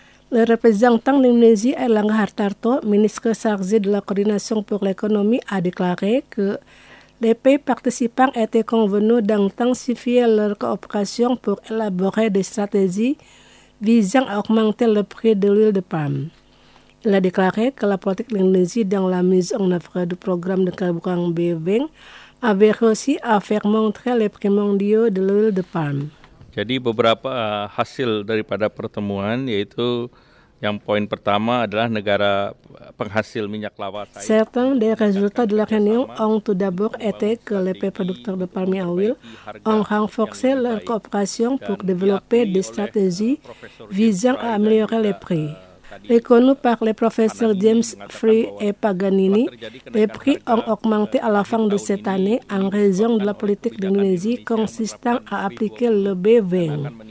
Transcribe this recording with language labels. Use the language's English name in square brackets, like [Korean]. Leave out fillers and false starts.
[French] Le représentant de l'Indonésie, Erlangga Hartarto, ministre chargé de la coordination pour l'économie, a déclaré que les pays participants étaient convenus d'intensifier leur coopération pour élaborer des stratégies visant à augmenter le prix de l'huile de palme. Il a déclaré que la politique de l'Indonésie dans la mise en œuvre du programme de carburant B20 avait réussi à faire montrer les prix mondiaux de l'huile de palme. [Indonesian] Jadi beberapa hasil daripada pertemuan yaitu yang poin pertama adalah negara penghasil minyak lawas. [French] Certains des résultats de la réunion ont tout d'abord été que les pays producteurs de palmier à huile ont renforcé leur coopération pour développer des stratégies visant à améliorer les prix. Reconnu par les professeurs James Free et Paganini, les prix ont augmenté à la fin de cette année en raison de la politique de l'Indonésie consistant à appliquer le B20.